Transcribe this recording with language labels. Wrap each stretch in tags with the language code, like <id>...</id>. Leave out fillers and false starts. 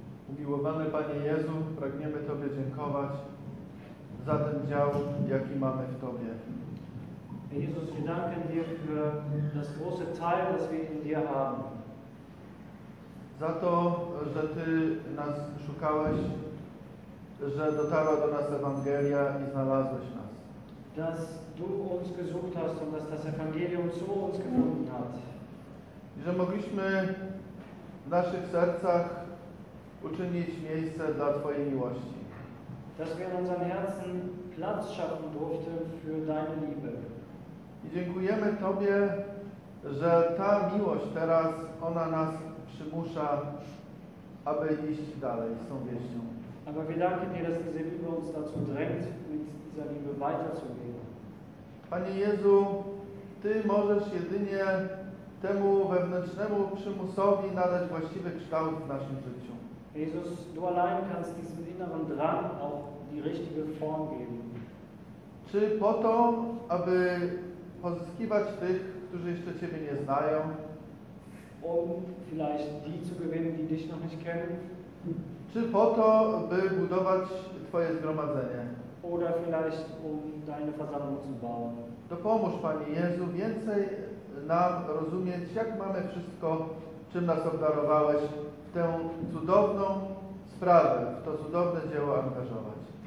<pl>Umiłowany Panie Jezu, pragniemy Tobie dziękować za ten dział, jaki mamy w Tobie.</pl> <de>Jesus, wir danken dir für das große Teil, das wir in dir haben.</de> <pl>Za to, że Ty nas szukałeś, że dotarła do nas Ewangelia i znalazłeś nas.</pl> <de>Dass du uns gesucht hast und dass das Evangelium zu uns gefunden hat.</de> <pl>I że mogliśmy w naszych sercach uczynić miejsce dla Twojej miłości.</pl> <de>Dass wir in unseren Herzen Platz schaffen durften für deine Liebe.</de> <pl>I dziękujemy Tobie, że ta miłość teraz, ona nas przymusza, aby iść dalej z tą wieścią.</pl> <de>Aber wir danken dir, dass diese Liebe uns dazu drängt, mit dieser Liebe weiterzugehen.</de> <pl>Panie Jezu, Ty możesz jedynie temu wewnętrznemu przymusowi nadać właściwy kształt w naszym życiu.</pl> <de>Jesus, du allein kannst diesem inneren Drang auch die richtige Form geben.</de> <pl>Czy po to, aby pozyskiwać tych, którzy jeszcze Ciebie nie znają?</pl> <de>Um vielleicht die zu gewinnen, die dich noch nicht kennen.</de> <pl>Czy po to, by budować Twoje zgromadzenie?</pl> <de>Oder vielleicht um deine Versammlung zu bauen.</de> <pl>To pomóż, Panie Jezu, więcej nam rozumieć, jak mamy wszystko, czym nas obdarowałeś, w tę cudowną sprawę, w to cudowne dzieło angażować.</pl>